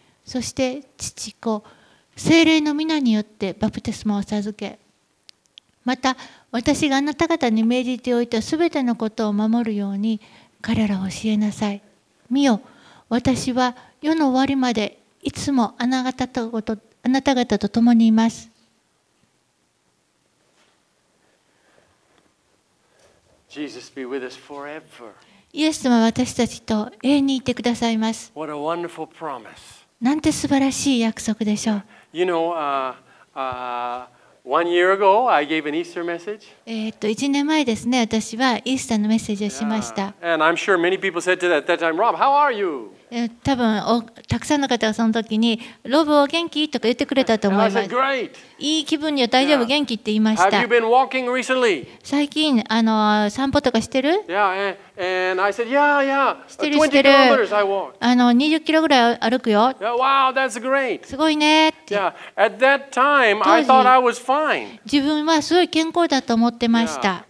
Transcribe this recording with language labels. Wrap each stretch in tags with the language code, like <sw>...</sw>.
<ja>そして父子聖霊の御名によってバプテスマを授け、また私があなた方に命じておいたすべてのことを守るように彼らを教えなさい。見よ、私は世の終わりまでいつもあなた方と共にいます。</ja> <en>Jesus be with us forever.</en> <ja>イエス様は私たちと永遠にいてくださいます。</ja> <en>What a wonderful promise.</en> <ja>なんて素晴らしい約束でしょう。</ja> <en>You know, One year ago, I gave an Easter message.</en> <ja>1年前ですね、私はイースターのメッセージをしました。</ja> <en>Yeah. And I'm sure many people said to that, at that time, Rob, how are you?</en> <ja>多分たくさんの方がその時にロブお元気とか言ってくれたと思います。</ja> <en>I said, great.</en> <ja>いい気分には大丈夫、元気って言いました。</ja> <en>Have you been walking recently?</en> <ja>最近散歩とかしてる？</ja> <en>Yeah, and I said, yeah, yeah.</en> <ja>してる、してる。</ja> <en>20 kilometers I walked.</en> <ja>20キロぐらい歩くよ。</ja> <en>Yeah, wow, that's great.</en> <ja>すごいねって。</ja> <en>Yeah, at that time, I thought I was fine.</en> <ja>自分はすごい健康だと思ってました。</ja>